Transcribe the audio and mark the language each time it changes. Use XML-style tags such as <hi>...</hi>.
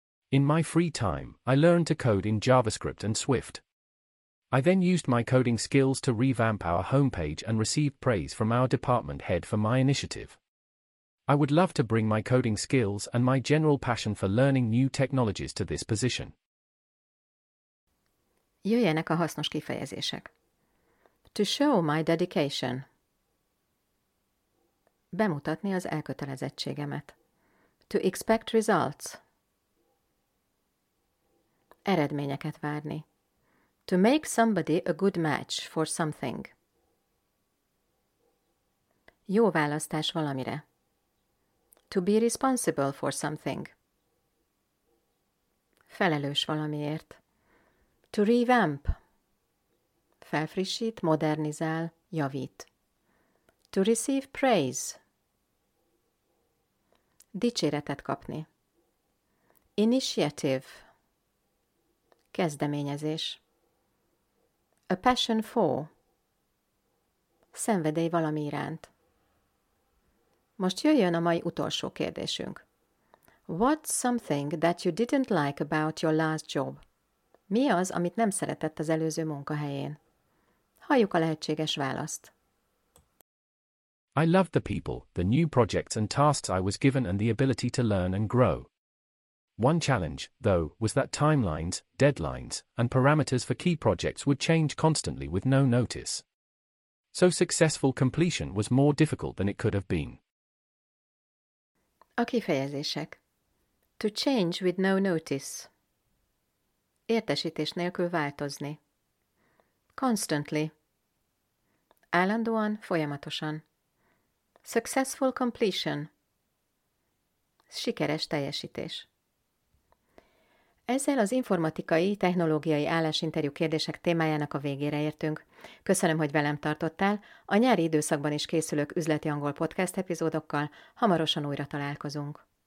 <en>In my free time, I learned to code in JavaScript and Swift. I then used my coding skills to revamp our homepage and received praise from our department head for my initiative. I would love to bring my coding skills and my general passion for learning new technologies to this position.</en> <hu>Jöjjenek a hasznos kifejezések.</hu> <en>To show my dedication.</en> <hu>Bemutatni az elkötelezettségemet.</hu> <en>To expect results.</en> <hu>Eredményeket várni.</hu> <en>To make somebody a good match for something.</en> <hu>Jó választás valamire.</hu> <en>To be responsible for something.</en> <hu>Felelős valamiért.</hu> <en>To revamp.</en> <hu>Felfrissít, modernizál, javít.</hu> <en>To receive praise.</en> <hu>Dicséretet kapni.</hu> <en>Initiative.</en> <hu>Kezdeményezés.</hu> <en>A passion for.</en> <hu>Szenvedély valami iránt. Most jöjjön a mai utolsó kérdésünk.</hu> <en>What's something that you didn't like about your last job?</en> <hu>Mi az, amit nem szeretett az előző munkahelyén? Halljuk a lehetséges választ.</hu> <en>I loved the people, the new projects and tasks I was given and the ability to learn and grow. One challenge, though, was that timelines, deadlines, and parameters for key projects would change constantly with no notice. So successful completion was more difficult than it could have been.</en> <hu>A kifejezések.</hu> <en>To change with no notice.</en> <hu>Értesítés nélkül változni.</hu> <en>Constantly.</en> <hu>Állandóan, folyamatosan.</hu> <en>Successful completion.</en> <hu>Sikeres teljesítés. Ezzel az informatikai, technológiai állásinterjú kérdések témájának a végére értünk. Köszönöm, hogy velem tartottál. A nyári időszakban is készülök üzleti angol podcast epizódokkal. Hamarosan újra találkozunk.</hu>